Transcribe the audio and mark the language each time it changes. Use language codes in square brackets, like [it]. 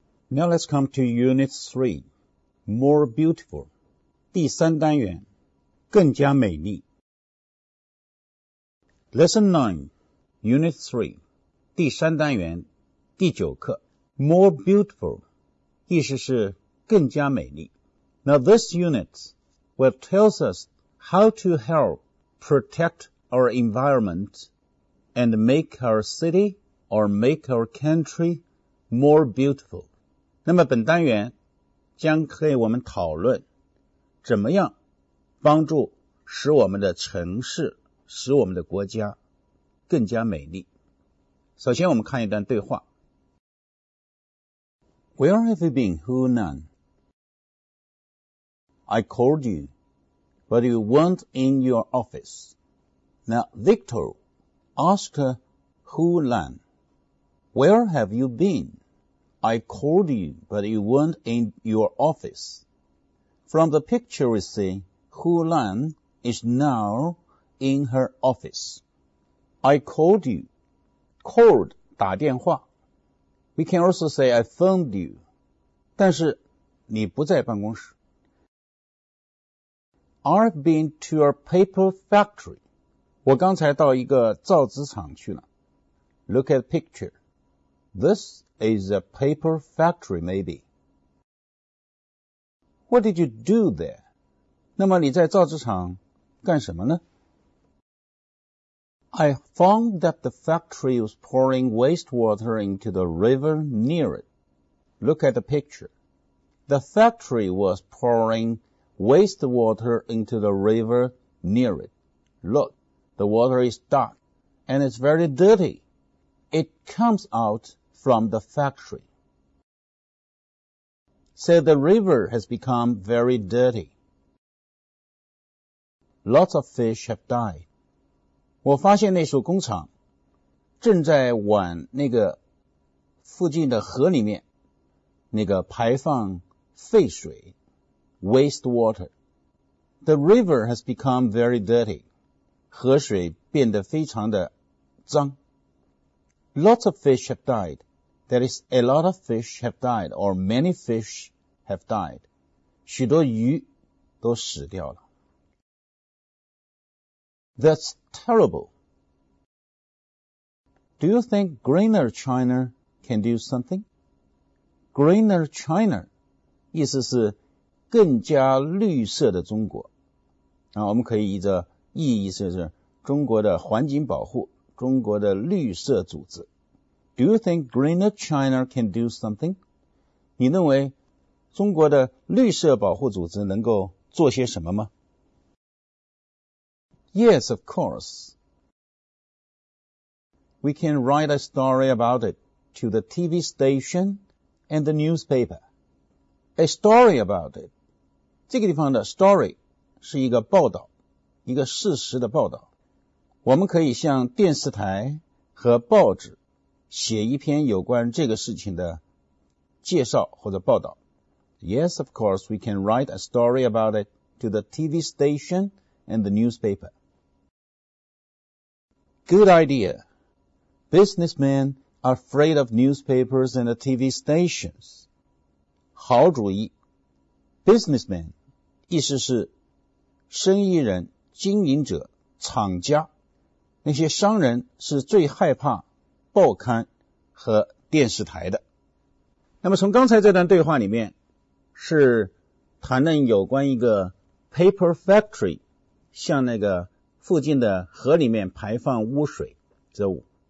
[en] Now let's come to Unit 3, More Beautiful, [zh] 第三单元，更加美丽。 [en] Lesson 9, Unit 3, [zh] 第三单元，第九课， [en] More Beautiful, [zh] 意思是更加美丽。 [en] Now this unit will tell us how to help protect our environment and make our city or make our country more beautiful. [zh] 那么本单元将和我们讨论怎么样帮助使我们的城市使我们的国家更加美丽。首先我们看一段对话。 [en] Where have you been, Hunan? I called you, but you weren't in your office. Now Victor asked Hunan, Where have you been? I called you, but you weren't in your office. From the picture we see, Hu Lan is now in her office. I called you. Called, 打电话。 We can also say I phoned you. [zh] 但是你不在办公室。 [en] I've been to your paper factory. [zh] 我刚才到一个造纸厂去了。 [en] Look at the picture. This is a paper factory, maybe. What did you do there? [zh] 那么你在造纸厂干什么呢? [en] I found that the factory was pouring wastewater into the river near it. Look at the picture. The factory was pouring wastewater into the river near it. Look, the water is dark and it's very dirty. It comes outFrom the factory. So the river has become very dirty. Lots of fish have died. [zh] 我发现那所工厂正在往那个附近的河里面那个排放废水 [en] waste water. The river has become very dirty. [zh] 河水变得非常的脏 [en] Lots of fish have died. That is, a lot of fish have died, or many fish have died. [zh] 许多鱼都死掉了。 [en] That's terrible. Do you think Greener China can do something? [zh] Greener China, 意思是更加绿色的中国。啊，我们可以译作意义是中国的环境保护，中国的绿色组织。 [en] Do you think Greener China can do something? [zh] 你认为中国的绿色保护组织能够做些什么吗? [en] Yes, of course. We can write a story about it to the TV station and the newspaper. A story about it. [zh] 这个地方的 story 是一个报道,一个事实的报道。我们可以向电视台和报纸写一篇有关这个事情的介绍或者报道。 [en] Yes, of course, we can write a story about it to the TV station and the newspaper. Good idea. Businessmen are afraid of newspapers and the TV stations. [zh] 好主意。 Businessmen, 意思是生意人、经营者、厂家。那些商人是最害怕报刊和电视台的。那么从刚才这段对话里面是谈论有关一个 paper factory 向那个附近的河里面排放污水 so